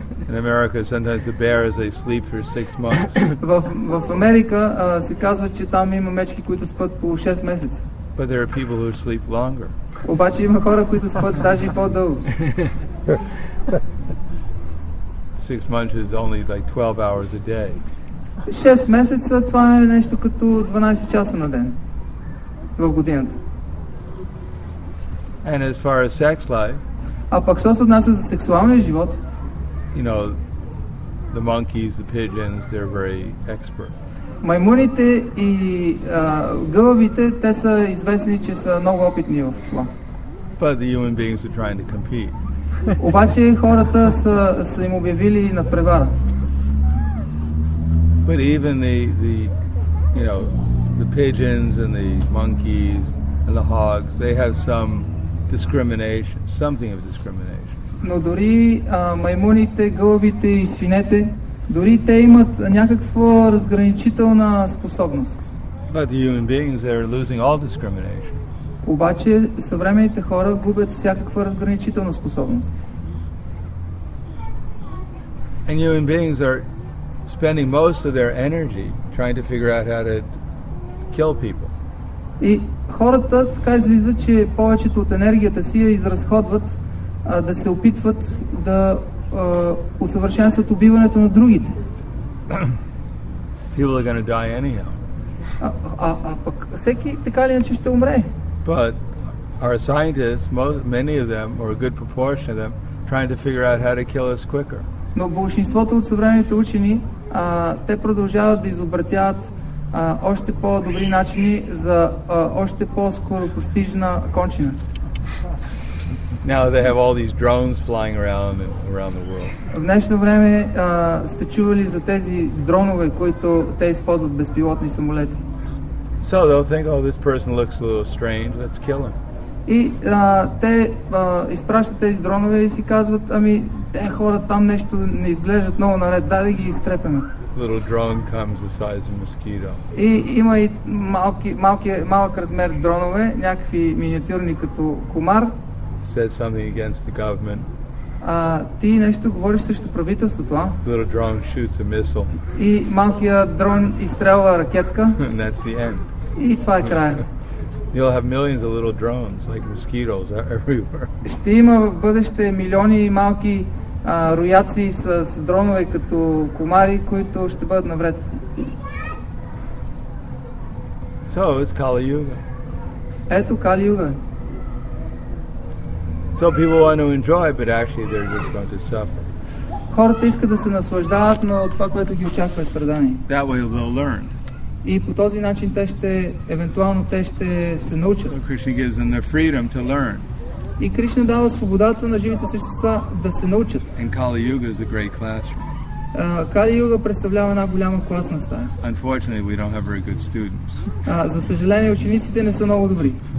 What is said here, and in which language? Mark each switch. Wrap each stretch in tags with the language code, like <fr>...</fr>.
<en>In America, sometimes the bears, they sleep for 6 months.</en> <bg>В Америка се казва, че там има мечки, които спят по 6 месеца.</bg> <en>But there are people who sleep longer.</en> <bg>Обаче има хора, които спят даже и по-дълго.</bg> <en>6 months is only like 12 hours a day.</en> <bg>6 месеца, това е нещо като 12 часа на ден в годината.</bg> <en>And as far as sex life,</en> <bg>а пък що се отнася за сексуалния живот,</bg> <en>you know, the monkeys, the pigeons, they're very expert.</en> <bg>Маймуните и гълъбите, те са известни, че са много опитни в това.</bg> <en>But the human beings are trying to compete.</en> <bg>Обаче хората са им обявили надпревара.</bg> <en>But even the you know, the pigeons and the monkeys and the hogs, they have some discrimination, something of discrimination.</en> <bg>Но дори маймуните, гълъбите и свинете, дори те имат някаква разграничителна способност.</bg> <en>But the human beings, they are losing all discrimination.</en> <bg>Обаче съвременните хора губят всякаква разграничителна способност.</bg> <en>And human beings are spending most of their energy trying to figure out how to kill people.</en> <bg>И хората така излиза, че повечето от енергията си я изразходват да се опитват да усъвършенстват убиването на другите.</bg> <en>People are gonna die anyhow.</en> <bg>Пък всеки така ли иначе ще умре.</bg> <en>But our scientists, many of them, or a good proportion of them, trying to figure out how to kill us quicker.</en> <bg>Но большинството от съвременните учени, те продължават да изобретяват още по-добри начини за още по-скоро постижна кончина.</bg> <en>Now they have all these drones flying around the world.</en> <bg>В днешно време сте чували за тези дронове, които те използват, безпилотни самолети.</bg> <en>So they'll think, oh, this person looks a little strange, let's kill him.</en> <bg>И те изпращат тези дронове и си казват: "Ами, те хора там нещо не изглеждат много наред, дай да ги изтрепеме."</bg> <en>Little drone comes the size of a mosquito.</en> <bg>И има и малък размер дронове, някакви миниатюрни като комар.</bg> <en>Said something against the government.</en> <bg>Ти нещо говориш срещу правителството, а?</bg> <en>Little drone shoots a missile.</en> <bg>И малкият дрон изстрелва ракетка.</bg> <en>And that's the end.</en> <bg>И това е края.</bg> <en>You'll have millions of little drones, like mosquitoes, everywhere.</en> <bg>Ще има в бъдеще милиони малки рояци с дронове като комари, които ще бъдат навред.</bg> <en>So, it's Kali Yuga.</en> <bg>Ето Kali Yuga.</bg> <en>So people want to enjoy, but actually they're just going to suffer.</en> <bg>Хората искат да се наслаждават, но това, което ги очаква, е страдание.</bg> <en>That way they'll learn.</en> <bg>И по този начин евентуално те ще се научат.</bg> <en>So Krishna gives them the freedom to learn.</en> <bg>И Кришна дава свободата на живите същества да се научат.</bg> <en>And Kali Yuga is a great classroom.</en> <bg>Кали Юга представлява една голяма класна стая.</bg> <en>Unfortunately, we don't have very good students.</en> <bg>За съжаление, учениците не са много добри.</bg>